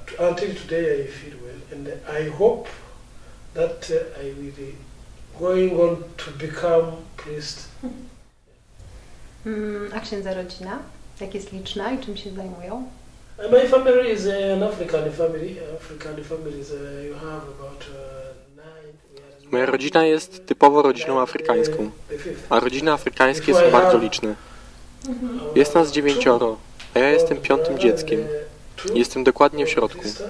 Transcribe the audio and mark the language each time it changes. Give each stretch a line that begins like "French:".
English: Until today I feel well, and I hope that I will be going on to become priest.
Polish: A księdza rodzina? Jak jest liczna i czym się zajmują?
English: My family is an African family. African family is you have about 9.
Polish: Moja rodzina jest typowo rodziną afrykańską, a rodziny afrykańskie są bardzo liczne. Jest nas 9, a ja jestem 5. dzieckiem. Jestem dokładnie w środku.